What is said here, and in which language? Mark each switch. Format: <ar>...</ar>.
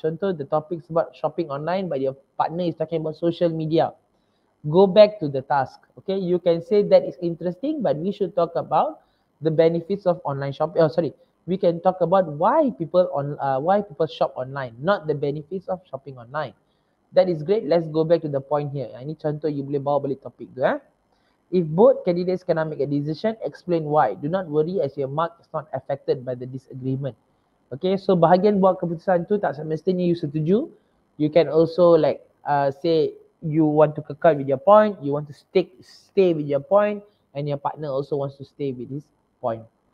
<en>Contoh, the topic is about shopping online but your partner is talking about social media. Go back to the task. Okay, you can say that is interesting but we should talk about the benefits of online shopping. Oh, sorry. We can talk about why people shop online, not the benefits of shopping online. That is great. Let's go back to the point here.</en> <ms>Ini contoh, you boleh bawa balik topik tu, eh?</ms> <en>If both candidates cannot make a decision, explain why. Do not worry as your mark is not affected by the disagreement. Okay, so</en> <ms>bahagian buat keputusan tu tak semestinya you setuju.</ms> <en>You can also like say you want to kekal with your point, you want to stay with your point, and your partner also wants to stay with his point.</en>